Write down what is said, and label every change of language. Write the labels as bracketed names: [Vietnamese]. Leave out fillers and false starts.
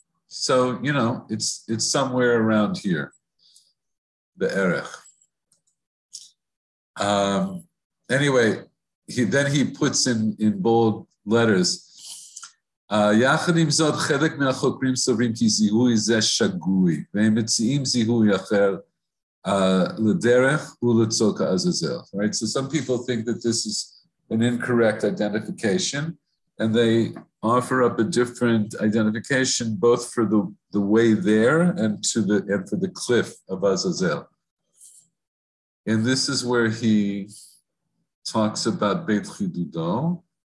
[English] So, you know, it's somewhere around here, the Erech. Anyway, he puts in bold letters, [Hebrew] יחד עם זאת, חלק מהחוקרים סוברים כי זיהוי זה שגוי, והם מציעים זיהוי אחר לדרך ולצוק העזאזל. [English] Right, so some people think that this is an incorrect identification, and they offer up a different identification both for the way there and for the cliff of Azazel. And this is where he talks about Beit Chidudo.